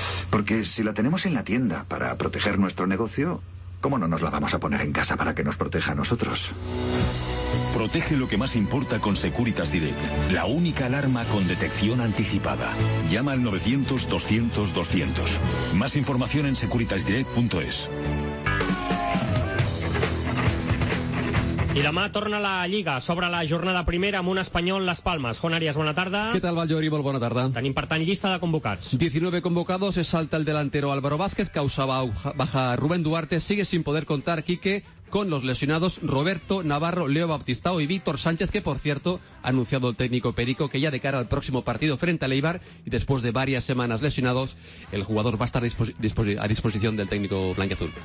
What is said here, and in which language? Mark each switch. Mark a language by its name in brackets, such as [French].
[Spanish] Porque si la tenemos en la tienda para proteger nuestro negocio, ¿cómo no nos la vamos a poner en casa para que nos proteja a nosotros? Protege lo que más importa con Securitas Direct, la única alarma con detección anticipada. Llama al 900-200-200. Más información en securitasdirect.es. [Catalan] I demà torna la Lliga, s'obre la jornada primera amb un Espanyol Las Palmas. Juan Arias, bona tarda. Què tal, Valjori? Molt bona tarda. Tenim, per tant, llista de convocats. [Spanish] 19 convocados, se salta el delantero Álvaro Vázquez, causa baja Rubén Duarte, sigue sin poder contar Quique con los lesionados Roberto Navarro, Leo Baptistao y Víctor Sánchez, que, por cierto, ha anunciado el técnico Perico que ya de cara al próximo partido frente al Eibar y después de varias semanas lesionados, el jugador va a estar a disposición del técnico blanquiazul.